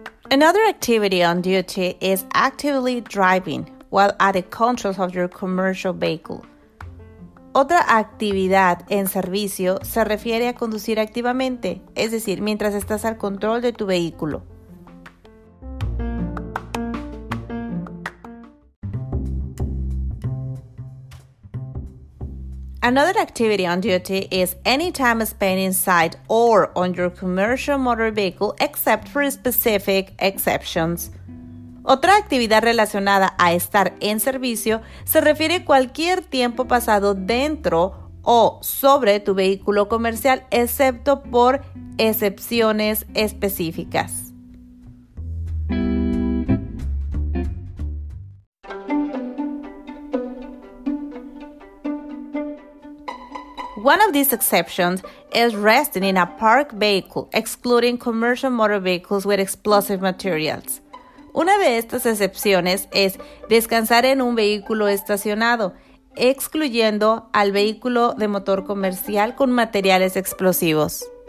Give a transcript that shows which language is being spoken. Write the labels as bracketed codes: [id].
[en] Another activity on duty is actively driving while at the controls of your commercial vehicle. [es] Otra actividad en servicio se refiere a conducir activamente, es decir, mientras estás al control de tu vehículo. [en] Another activity on duty is any time spent inside or on your commercial motor vehicle except for specific exceptions. [es] Otra actividad relacionada a estar en servicio se refiere a cualquier tiempo pasado dentro o sobre tu vehículo comercial, excepto por excepciones específicas. [en] One of these exceptions is resting in a parked vehicle, excluding commercial motor vehicles with explosive materials. [es] Una de estas excepciones es descansar en un vehículo estacionado, excluyendo al vehículo de motor comercial con materiales explosivos.